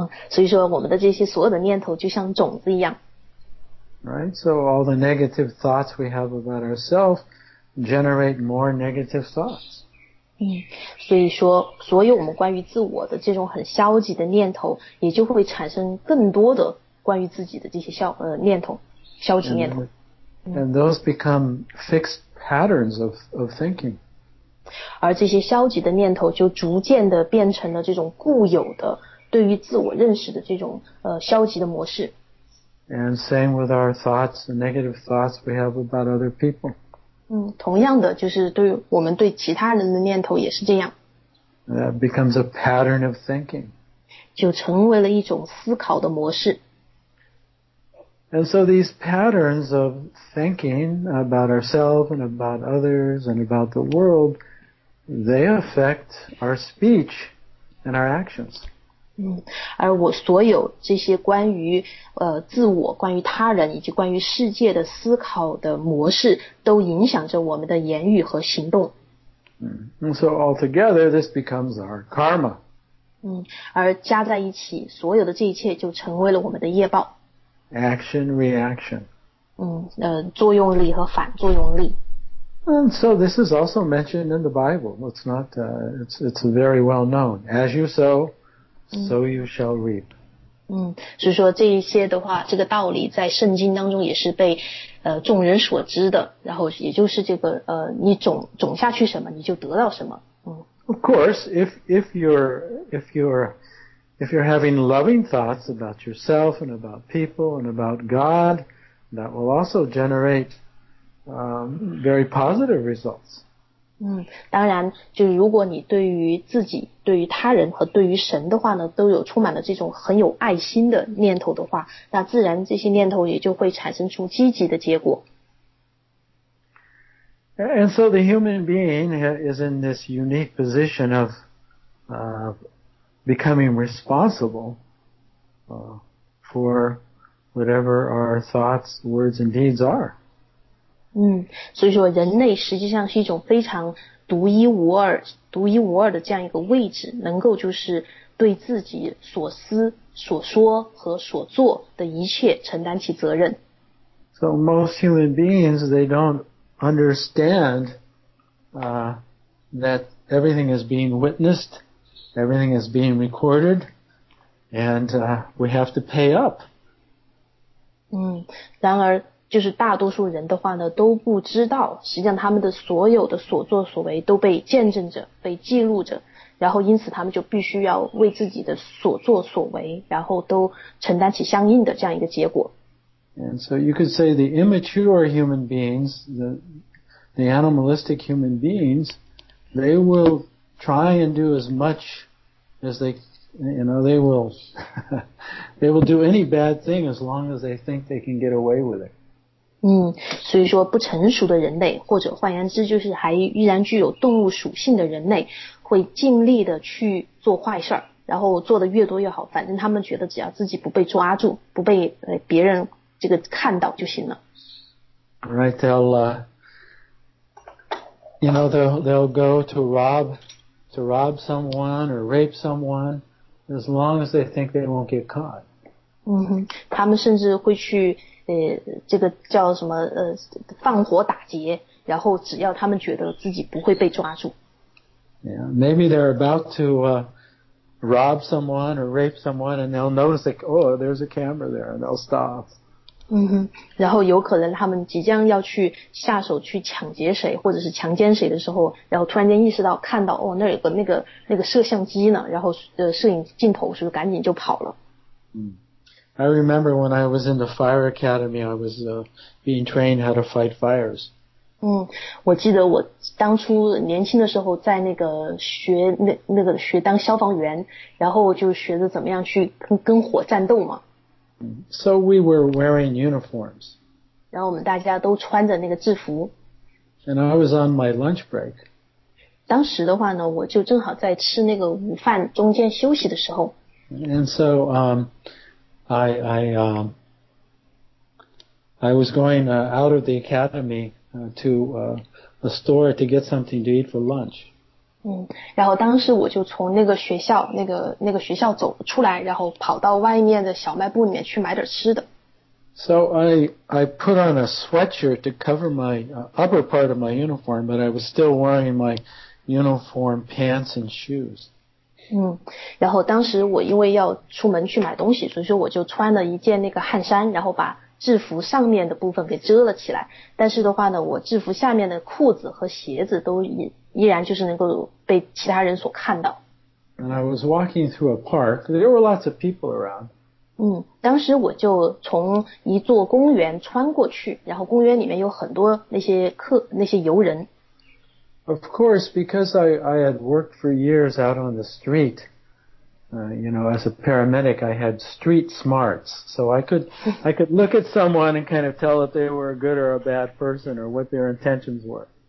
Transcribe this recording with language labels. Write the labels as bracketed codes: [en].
[zh] 所以说我们的这些所有的念头就像种子一样。 [en] Right, so all the negative thoughts we have about ourselves generate more negative thoughts. [zh] 所以说所有我们关于自我的这种很消极的念头也就会产生更多的关于自己的这些念头消极念头。 [en] And those become fixed patterns of thinking. [zh] 而这些消极的念头就逐渐的变成了这种固有的对于自我认识的这种消极的模式。 [en] And same with our thoughts, the negative thoughts we have about other people. [zh] 同样的就是对我们对其他人的念头也是这样。 [en] That becomes a pattern of thinking. [zh] 就成为了一种思考的模式。 [en] And so these patterns of thinking about ourselves and about others and about the world, they affect our speech and our actions. [zh] 而我所有这些关于自我关于他人以及关于世界的思考的模式都影响着我们的言语和行动。 [en] And so altogether this becomes our karma. [zh] 而加在一起所有的这一切就成为了我们的业报。 [en] Action, reaction. [zh] 作用力和反作用力。 [en] And so this is also mentioned in the Bible. It's not, it's very well known. As you sow,So you shall reap. [zh] 所以说这一些的话，这个道理在圣经当中也是被众人所知的。然后也就是这个你种下去什么，你就得到什么。 [en] Of course, if you're having loving thoughts about yourself and about people and about God, that will also generate very positive results. [zh] 当然就如果你对于自己对于他人和对于神的话呢都有充满了这种很有爱心的念头的话，那自然这些念头也就会产生出积极的结果。 [en] And so the human being is in this unique position of becoming responsible for whatever our thoughts, words and deeds are. [zh] 所以说人类实际上是一种非常独一无二的这样一个位置，能够就是对自己所思所说和所做的一切承担起责任。 [en] So most human beings, they don't understand that everything is being witnessed, everything is being recorded, and we have to pay up. [zh] 然而就是大多数人的话呢都不知道实际上他们的所有的所作所为都被见证着被记录着，然后因此他们就必须要为自己的所作所为然后都承担起相应的这样一个结果。 [en] And so you could say the immature human beings, the animalistic human beings, they will try and do as much as they, you know, they will they will do any bad thing as long as they think they can get away with it. [zh] 所以说不成熟的人类或者换言之就是还依然具有动物属性的人类会尽力的去做坏事，然后做的越多越好，反正他们觉得只要自己不被抓住不被别人这个看到就行了。 [en] Right, they'll you know, they'll go to rob someone or rape someone as long as they think they won't get caught. [zh] 他们甚至会去这个叫什么放火打劫，然后只要他们觉得自己不会被抓住。 [en] Yeah, maybe they're about to rob someone or rape someone and they'll notice like, oh, there's a camera there and they'll stop. [zh] 然后有可能他们即将要去下手去抢劫谁或者是强奸谁的时候，然后突然间意识到看到哦那有个那个摄像机呢，然后摄影镜头是不是赶紧就跑了。 [en] I remember when I was in the fire academy, I was being trained how to fight fires. [zh] 我记得我当初年轻的时候在那个学那个学当消防员，然后就学着怎么样去跟火战斗嘛。 [en] So we were wearing uniforms. [zh] 然后我们大家都穿着那个制服。 [en] And I was on my lunch break. [zh] 当时的话呢，我就正好在吃那个午饭中间休息的时候。 [en] And so, I was going out of the academy to a store to get something to eat for lunch. [zh] 然后当时我就从那个学校那个学校走出来，然后跑到外面的小卖部里面去买点吃的。 [en] So I put on a sweatshirt to cover my upper part of my uniform, but I was still wearing my uniform pants and shoes. [zh] 然后当时我因为要出门去买东西，所以说我就穿了一件那个汗衫，然后把制服上面的部分给遮了起来，但是的话呢我制服下面的裤子和鞋子都依然就是能够被其他人所看到。 [en] And I was walking through a park. There were lots of people around. [zh] 当时我就从一座公园穿过去，然后公园里面有很多那些游人。 [en] Of course, because I had worked for years out on the street, you know, as a paramedic, I had street smarts. So I could look at someone and kind of tell if they were a good or a bad person or what their intentions were.